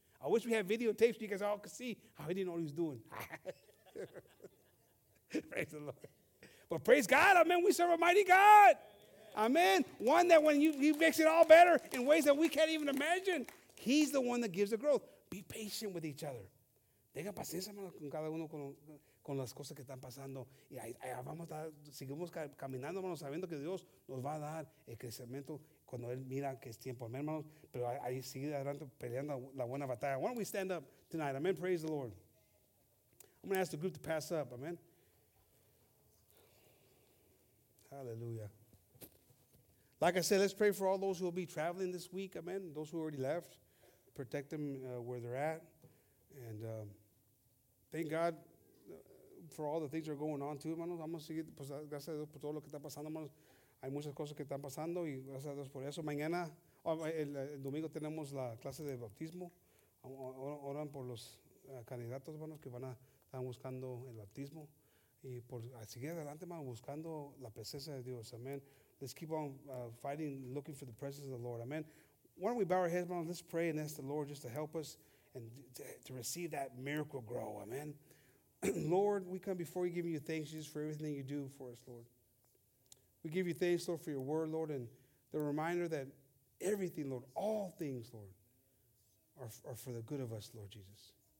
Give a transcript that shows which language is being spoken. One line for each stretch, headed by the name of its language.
English: I wish we had videotapes so you guys all could see how he didn't know what he was doing. Praise the Lord. But praise God. Amen. We serve a mighty God. Amen. One that when he makes it all better in ways that we can't even imagine, he's the one that gives the growth. Be patient with each other.
Spanish: Tenga paciencia con cada uno con las cosas que están pasando. Y ahí vamos a estar, seguimos caminando, hermanos, sabiendo que Dios nos va a dar el crecimiento cuando Él mira que es tiempo. Amén, hermanos. Pero ahí sigue adelante peleando la buena batalla.
English: Why don't we stand up tonight? Amen. Praise the Lord. I'm going to ask the group to pass up. Amen. Hallelujah. Like I said, let's pray for all those who will be traveling this week. Amen. Those who already left. Protect them where they're at. And thank God for all the things that are going on too, hermanos.
Spanish: Vamos a seguir, pues, gracias a Dios por todo lo que está pasando, hermanos. Hay muchas cosas que están pasando y gracias a Dios por eso. Mañana, el domingo tenemos la clase de bautismo. Oran por los candidatos, hermanos, que están buscando el bautismo. Y por seguir adelante, hermanos, buscando la presencia de Dios.
English: Amen. Let's keep on fighting, looking for the presence of the Lord. Amen. Why don't we bow our heads, hermanos? Let's pray and ask the Lord just to help us and to receive that miracle grow. Amen. Lord, we come before you giving you thanks, Jesus, for everything you do for us, Lord. We give you thanks, Lord, for your word, Lord, and the reminder that everything, Lord, all things, Lord, are for the good of us, Lord Jesus.